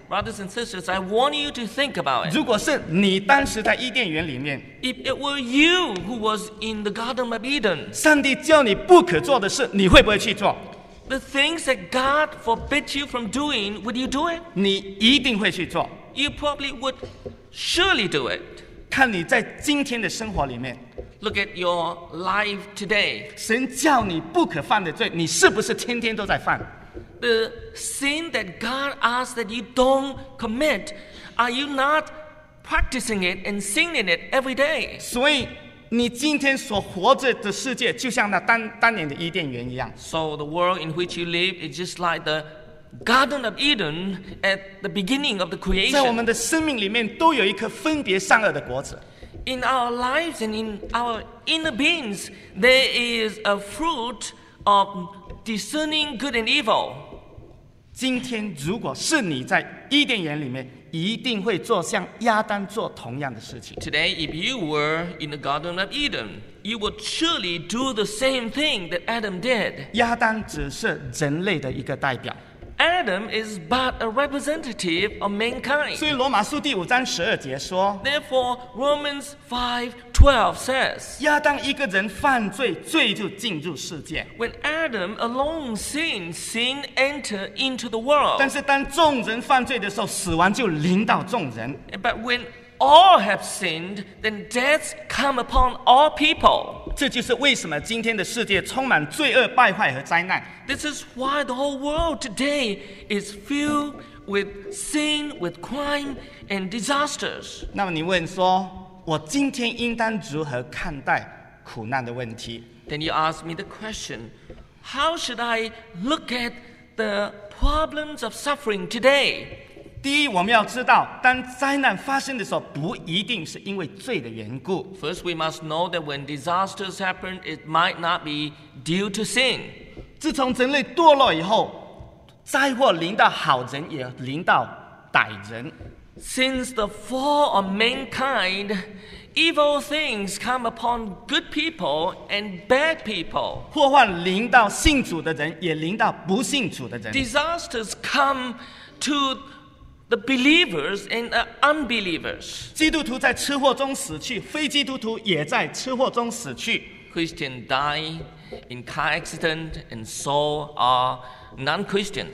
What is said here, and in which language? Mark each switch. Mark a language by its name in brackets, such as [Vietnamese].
[English] Brothers and sisters, I want you to think about it. [Chinese] 如果是你当时在伊甸园里面， [English] If it were you who was in the Garden of Eden, [Chinese] 上帝叫你不可做的事，你会不会去做？ [English] The things that God forbid you from doing, would you do it? [Chinese] 你一定会去做。 [English] You probably would surely do it. [Chinese] 看你在今天的生活里面， [English] Look at your life today. [Chinese] 神叫你不可犯的罪，你是不是天天都在犯？ [English] The sin that God asks that you don't commit, are you not practicing it and sinning it every day? [Chinese] 所以你今天所活着的世界就像那当年的伊甸园一样。 [English] So the world in which you live is just like the Garden of Eden at the beginning of the creation. [Chinese] 在我们的生命里面都有一颗分别善恶的果子。 [English] In our lives and in our inner beings, there is a fruit of discerning good and evil. [Chinese] 今天如果是你在伊甸园里面，一定会做像亚当做同样的事情。 [English] Today, if you were in the Garden of Eden, you would surely do the same thing that Adam did. [Chinese] 亚当只是人类的一个代表。 [English] Adam is but a representative of mankind. [Chinese] 所以罗马书第五章十二节说， [English] Therefore, Romans 5:12 says, [Chinese] 亚当一个人犯罪，罪就进入世界。 [English] When Adam alone sinned, sin entered into the world. [Chinese] 但是当众人犯罪的时候，死亡就临到众人。 [English] But when all have sinned, then death come upon all people. [Chinese] 这就是为什么今天的世界充满罪恶、败坏和灾难。 [English] This is why the whole world today is filled with sin, with crime and disasters. [Chinese] 那么你问说，我今天应当如何看待苦难的问题？ [English] Then you ask me the question, how should I look at the problems of suffering today? [Chinese] 第一，我们要知道，当灾难发生的时候，不一定是因为罪的缘故。 [English] First, we must know that when disasters happen, it might not be due to sin. [Chinese] 自从人类堕落以后，灾祸临到好人，也临到歹人。 [English] Since the fall of mankind, evil things come upon good people and bad people. [Chinese] 祸患临到信主的人，也临到不信主的人。 [English] Disasters come to the believers and the unbelievers. [Chinese] 基督徒在车祸中死去，非基督徒也在车祸中死去。 [English] Christians die in car accident, and so are non-Christian.